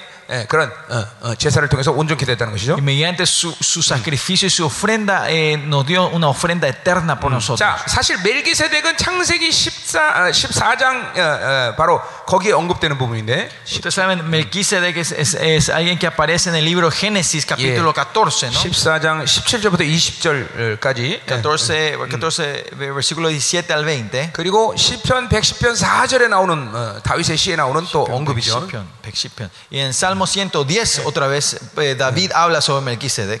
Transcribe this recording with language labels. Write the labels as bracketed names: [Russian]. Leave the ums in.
[Korean] 예, 그런 어, 어, 제사를 통해서 온전케 되었다는 것이죠. [Spanish] Y mediante su, su sacrificio y su ofrenda eh, nos dio una ofrenda eterna por nosotros. [Korean] 자, 사실 멜기세덱은 창세기 14, 14장 어, 어, 바로 거기에 언급되는 부분인데. [Spanish] Ustedes saben Melquisedec es, es, es alguien que aparece en el libro Génesis capítulo 14, ¿no? [Korean] 14장 17절부터 20절까지. [Spanish] 14, 14 versículo 17 al 20. [Korean] 그리고 시편 110편 4절에 나오는 어, 다윗의 시에 나오는 또 언급이죠. 10편. 110. [Spanish] Y en Salmo 110 otra vez David habla sobre Melquisedec.